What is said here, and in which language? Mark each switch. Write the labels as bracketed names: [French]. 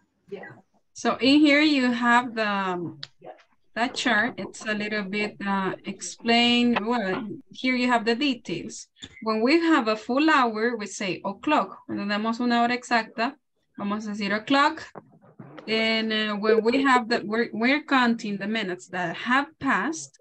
[English] Yeah. So in here you have the that chart. It's a little bit explained. Well, here you have the details. When we have a full hour, we say o'clock. [Spanish] Cuando tenemos una hora exacta, vamos a decir o'clock. [English] And when we have that, we're counting the minutes that have passed.